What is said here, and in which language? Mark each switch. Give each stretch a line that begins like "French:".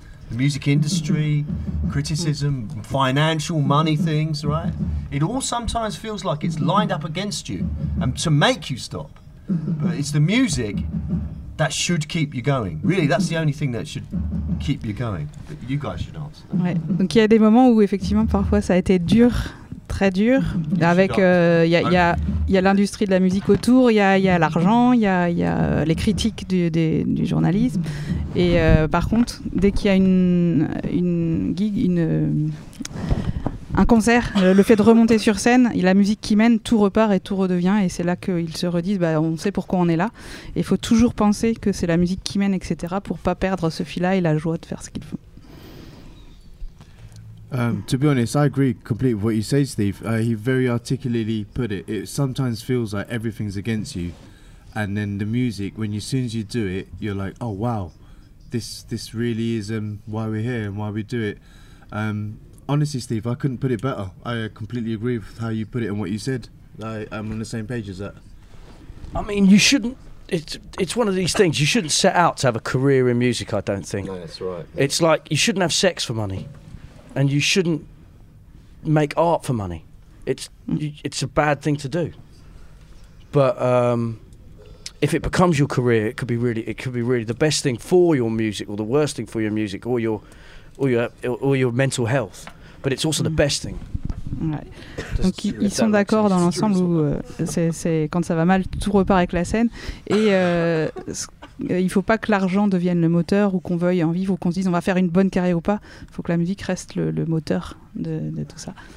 English: The music industry, criticism, financial, money things, right? It all sometimes feels like it's lined up against you and to make you stop. But it's the music that should keep you going. Really, that's the only thing that should keep you going. But you guys should answer that.
French: Ouais. Donc il y a des moments où effectivement parfois ça a été dur, très dur, avec il y a l'industrie de la musique autour, il y a l'argent, il y a les critiques du journalisme. Et par contre, dès qu'il y a un concert, le fait de remonter sur scène, la musique qui mène, tout repart et tout redevient. Et c'est là qu'ils se redisent, on sait pourquoi on est là. Et il faut toujours penser que c'est la musique qui mène, etc., pour ne pas perdre ce fil-là et la joie de faire ce qu'il faut.
English: To be honest, I agree completely with what you say, Steve. He very articulately put it. It sometimes feels like everything's against you. And then the music, as soon as you do it, you're like, oh, wow, this really is why we're here and why we do it. Honestly, Steve, I couldn't put it better. I completely agree with how you put it and what you said. I'm on the same page as that. I mean, you shouldn't. It's one of these things. You shouldn't set out to have a career in music, I don't think. No, that's right. It's like you shouldn't have sex for money. And you shouldn't make art for money. It's a bad thing to do. But if it becomes your career, it could be really the best thing for your music, or the worst thing for your music, or your mental health. But it's also the best thing.
French: Ouais. Donc ils sont d'accord dans l'ensemble où c'est quand ça va mal, tout repart avec la scène. Et il ne faut pas que l'argent devienne le moteur, ou qu'on veuille en vivre, ou qu'on se dise on va faire une bonne carrière ou pas. Il faut que la musique reste le moteur de tout ça.